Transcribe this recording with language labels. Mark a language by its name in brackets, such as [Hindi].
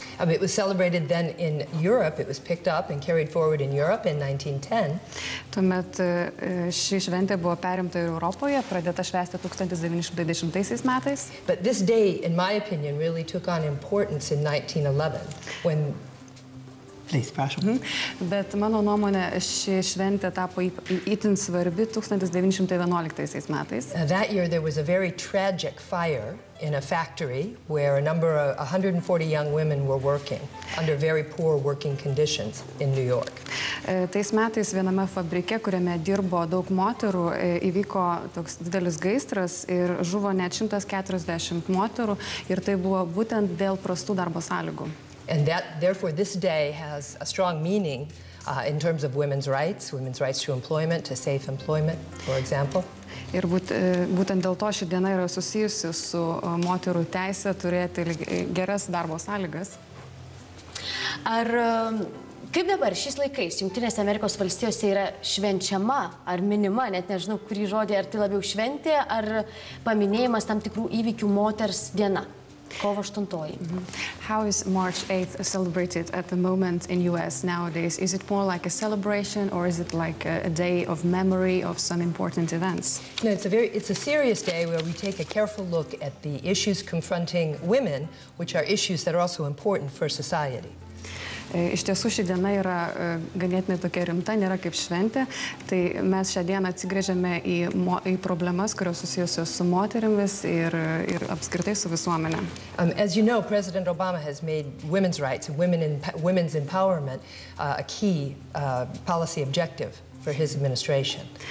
[English] It was celebrated then in Europe. It was picked up and carried forward in Europe in 1910. [Lithuanian] Tuomet ši šventė buvo perimta ir Europoje, pradėta švęsti 1920 metais. [English] But this day, in my opinion, really took on importance in 1911, when [Lithuanian] Bet mano nuomonė, ši šventė tapo itin svarbi 1911 metais. [English] That year there was a very tragic fire in a factory where a number of 140 young women were working under very poor working conditions in New York. [Lithuanian] Tais metais viename fabrike, kuriame dirbo daug moterų, įvyko toks didelis gaisras ir žuvo net 140 moterų ir tai buvo būtent dėl prastų darbo sąlygų. [English] And that, therefore, this day has a strong meaning in terms of women's rights to employment, to safe employment, for example. [Lithuanian] Ir būtent dėl to ši diena yra susijusi su moterų teise turėti geras darbo sąlygas. Ar kaip dabar šis laikais Jungtinėse Amerikos valstijose yra švenčiama ar minima, net nežinau, kurį žodį, ar tai labiau šventė, ar paminėjimas tam tikrų įvykių moters diena? Kovo 8. [English] How is March 8th celebrated at the moment in US nowadays? Is it more like a celebration or is it like a day of memory of some important events? No, it's a serious day where we take a careful look at the issues confronting women, which are issues that are also important for society. [Lithuanian] Iš tiesų, ši diena yra ganėtinai tokia rimta, nėra kaip šventė. Tai mes šią dieną atsigrėžiame į problemas, kurios susijusios su moterimis ir apskritai su visuomenė. [English] As you know, President Obama has made women's rights and women's empowerment a key policy objective for his administration.